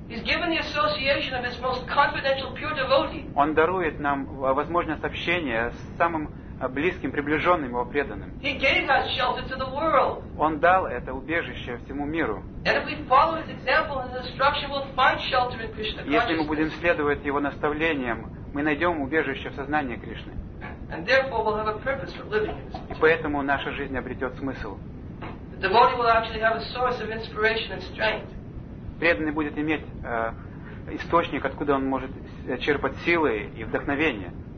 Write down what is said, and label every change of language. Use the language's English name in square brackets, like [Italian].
[English] He's given the association of his most confidential pure devotee. [Russian] Он дарует нам возможность общения с самым близким, приближенным его преданным. [English] He gave us shelter to the world. [Russian] Он дал это убежище всему миру. [English] And if we follow his example and instruction, we'll find shelter in Krishna. [Russian] Если мы будем следовать его наставлениям, мы найдем убежище в сознании Кришны. [English] And therefore we'll have a purpose for living in this. [Russian] И поэтому наша жизнь обретет смысл. [English] The devotee will actually have a source of inspiration and strength. [Russian] Преданный будет иметь источник, откуда он может черпать силы и вдохновение.